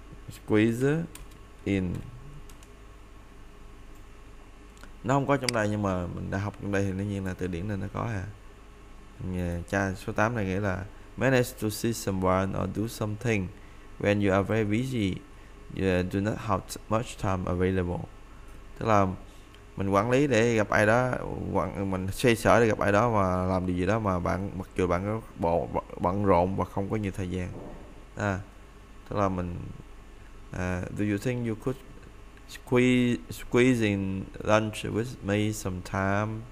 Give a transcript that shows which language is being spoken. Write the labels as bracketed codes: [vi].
[en] Squeeze in. [vi] Nó không có trong đây nhưng mà mình đã học trong đây thì đương nhiên là từ điển nên nó có à. Cha số 8 này nghĩa là [en] manage to see someone or do something when you are very busy, you do not have much time available. [vi] Tức là mình quản lý để gặp ai đó, mình xoay sở để gặp ai đó mà làm điều gì đó mà bạn mặc dù bạn có bận rộn và không có nhiều thời gian. Tức là mình [en] do you think you could squeeze in lunch with me sometime?